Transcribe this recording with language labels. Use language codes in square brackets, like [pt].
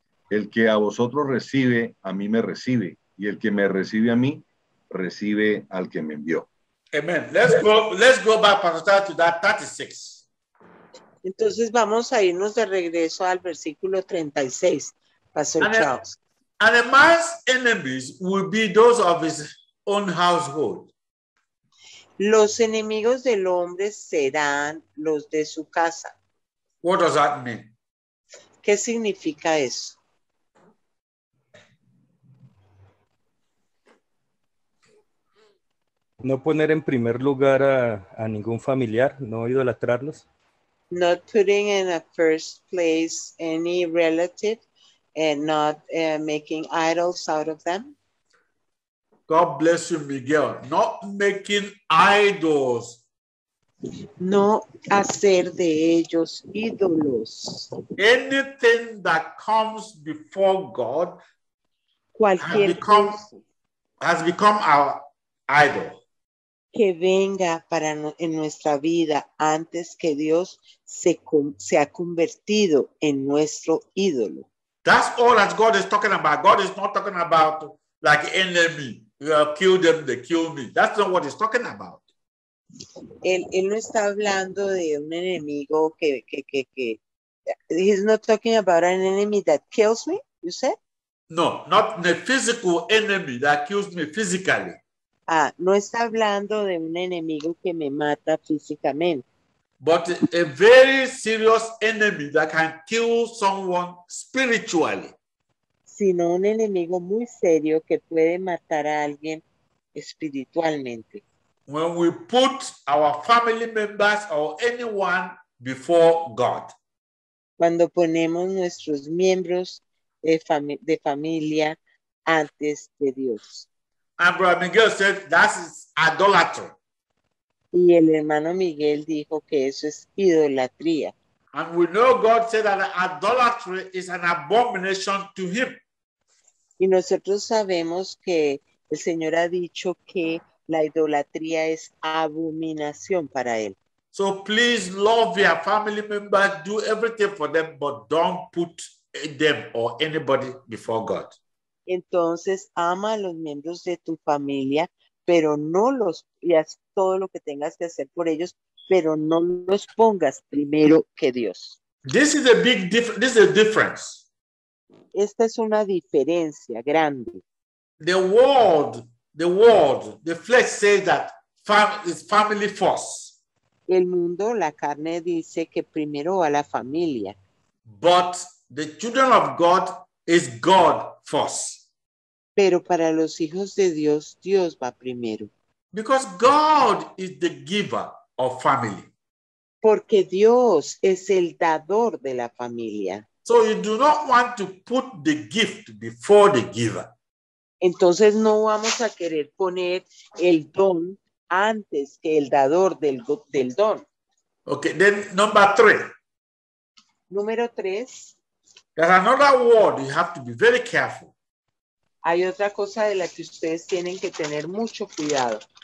[es] El que a vosotros recibe, a mí me recibe, y el que me recibe a mí, recibe al que me envió. [en] Amen. Let's go back, Pastor, to that 36. [es] Entonces vamos a irnos de regreso al versículo 36, Pastor Charles. [en] And a man's enemies will be those of his own household. [es] Los enemigos del hombre serán los de su casa. [en] What does that mean? [es] ¿Qué significa eso? No poner en primer lugar a ningún familiar, no idolatrarlos. [en] Not putting in a first place any relative. And not making idols out of them. God bless you, Miguel. Not making idols. [es] No hacer de ellos ídolos. [en] Anything that comes before God has become our idol. [es] Que venga para en nuestra vida antes que Dios se ha convertido en nuestro ídolo. [en] That's all that God is talking about. God is not talking about like enemy. Kill them, they kill me. That's not what he's talking about. [es] Él no está hablando de un enemigo que. [en] He's not talking about an enemy that kills me, you said? No, not the physical enemy that kills me physically. [es] Ah, no está hablando de un enemigo que me mata físicamente. [en] But a very serious enemy that can kill someone spiritually. [es] Sino un enemigo muy serio que puede matar a alguien espiritualmente. [en] When we put our family members or anyone before God. [es] Cuando ponemos nuestros miembros de familia antes de Dios. [en] And Brother Miguel said that is idolatry. [es] Y el hermano Miguel dijo que eso es idolatría. [en] And we know God said that idolatry is an abomination to him. [es] Y nosotros sabemos que el Señor ha dicho que La idolatría es abominación para él. [en] So please love your family members, do everything for them, but don't put them or anybody before God. [es] Entonces, ama a los miembros de tu familia, pero no los, y haz todo lo que tengas que hacer por ellos, pero no los pongas primero que Dios. [en] This is a big difference. This is a difference. [es] Esta es una diferencia grande. [en] The world, the flesh says that is family first. [es] El mundo, la carne dice que primero va la familia. [en] But the children of God is God first. [es] Pero para los hijos de Dios, Dios va primero. [en] Because God is the giver of family. [es] Porque Dios es el dador de la familia. [en] So you do not want to put the gift before the giver. [es] Entonces no vamos a querer poner el don antes que el dador del don. [en] Okay, then number three. [es] Número tres. [en] There's another word you have to be very careful. [es] Hay otra cosa de la que ustedes tienen que tener mucho cuidado.